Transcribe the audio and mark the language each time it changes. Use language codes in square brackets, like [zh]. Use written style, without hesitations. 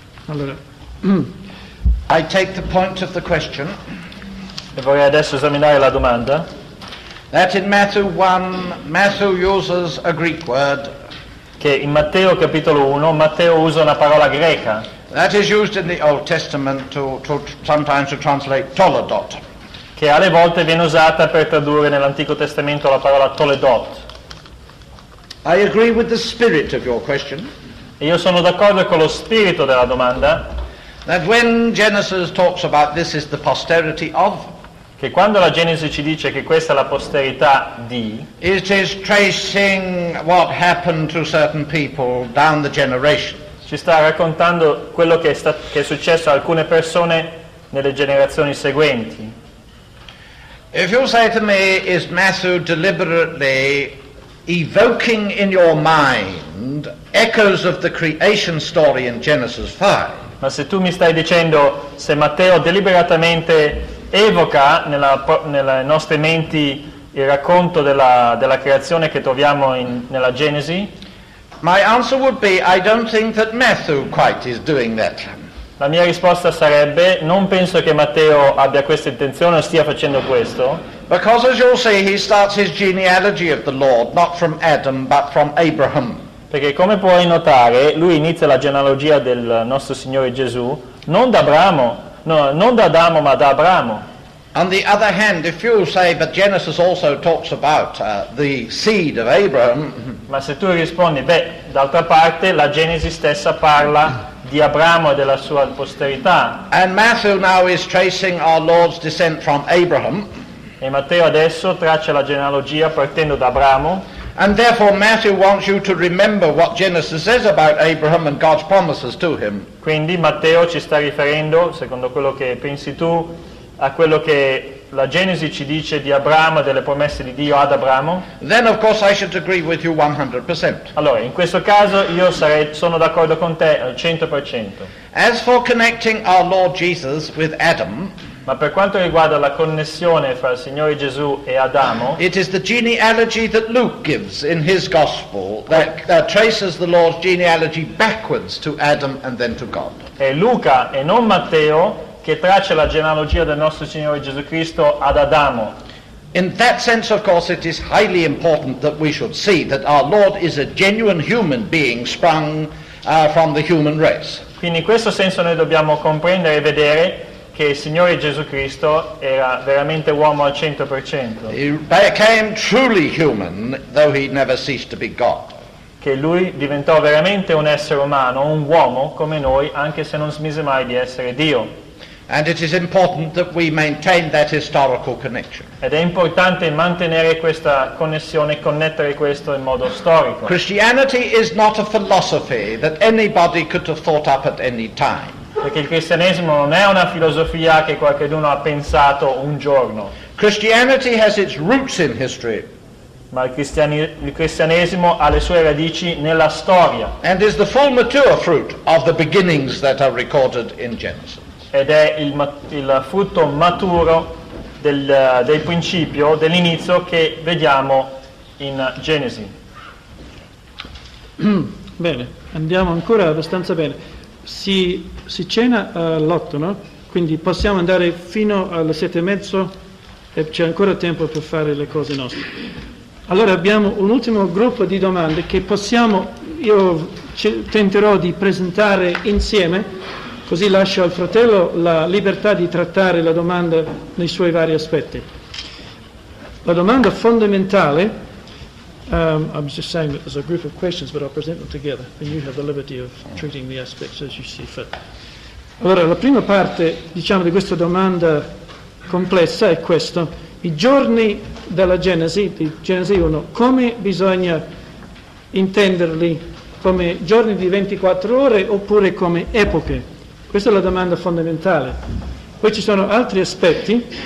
[it] Allora. [en] I take the point of the question. [it] E vorrei adesso esaminare la domanda. [en] That in Matthew 1, Matthew uses a Greek word. [it] Che in Matteo capitolo 1, Matteo usa una parola greca. [en] That is used in the Old Testament to sometimes to translate toledot. [it] Che alle volte viene usata per tradurre nell'Antico Testamento la parola toledot. [en] I agree with the spirit of your question. [it] E io sono d'accordo con lo spirito della domanda. [en] That when Genesis talks about this is the posterity of, [it] che quando la Genesi ci dice che questa è la posterità di, [en] it is tracing what happened to certain people down the generation. [it] Ci sta raccontando quello che è successo a alcune persone nelle generazioni seguenti. [en] If you say to me, is Matthew deliberately evoking in your mind echoes of the creation story in Genesis 5? [it] Ma se tu mi stai dicendo se Matteo deliberatamente evoca nelle nostre menti il racconto della creazione che troviamo nella Genesi? [en] My answer would be, I don't think that Matthew quite is doing that. [it] La mia risposta sarebbe, non penso che Matteo abbia questa intenzione o stia facendo questo. [en] Because as you'll see, he starts his genealogy of the Lord, not from Adam, but from Abraham. [it] Perché come puoi notare, lui inizia la genealogia del nostro Signore Gesù non da Abramo, no, non da Adamo, ma da Abramo. [en] On the other hand, if you say but Genesis also talks about the seed of Abraham, [it] ma se tu rispondi, beh, d'altra parte la Genesi stessa parla di Abramo e della sua posterità. [en] And Matthew now is tracing our Lord's descent from Abraham. [it] E Matteo adesso traccia la genealogia partendo da Abramo. [en] And therefore Matthew wants you to remember what Genesis says about Abraham and God's promises to him. [it] Quindi Matteo ci sta riferendo, secondo quello che pensi tu, a quello che la Genesi ci dice di Abramo e delle promesse di Dio ad Abramo. [en] Then of course I should agree with you 100%. [it] Allora, in questo caso io sono d'accordo con te al 100%. [en] As for connecting our Lord Jesus with Adam, [it] ma per quanto riguarda la connessione fra il Signore Gesù e Adamo, [en] it is the genealogy that Luke gives in his gospel that traces the Lord's genealogy backwards to Adam and then to God. [it] È Luca e non Matteo che traccia la genealogia del nostro Signore Gesù Cristo ad Adamo. [en] In that sense, of course, it is highly important that we should see that our Lord is a genuine human being sprung from the human race. [it] Quindi in questo senso noi dobbiamo comprendere e vedere che il Signore Gesù Cristo era veramente uomo al 100%. [en] He became truly human, though he never ceased to be God. [it] Che lui diventò veramente un essere umano, un uomo come noi, anche se non smise mai di essere Dio. [en] And it is important that we maintain that historical connection. [it] Ed è importante mantenere questa connessione, connettere questo in modo storico. [en] Christianity is not a philosophy that anybody could have thought up at any time. [it] Perché il cristianesimo non è una filosofia che qualcuno ha pensato un giorno. [en] Christianity has its roots in history. [it] Ma il cristianesimo ha le sue radici nella storia. [en] And is the full mature fruit of the beginnings that are recorded in Genesis. [it] Ed è il frutto maturo del principio, dell'inizio che vediamo in Genesi. Bene, andiamo ancora abbastanza bene. Si cena all'8, no? Quindi possiamo andare fino alle 7:30 e c'è ancora tempo per fare le cose nostre. Allora abbiamo un ultimo gruppo di domande che tenterò di presentare insieme, così lascio al fratello la libertà di trattare la domanda nei suoi vari aspetti. La domanda fondamentale, [en] I'm just saying that there's a group of questions, but I'll present them together, and you have the liberty of treating the aspects as you see fit. [it] Allora, la prima parte, diciamo, di questa domanda complessa è questo: i giorni della Genesi, di Genesi 1, come bisogna intenderli? Come giorni di 24 ore oppure come epoche? Questa è la domanda fondamentale. Poi ci sono altri aspetti.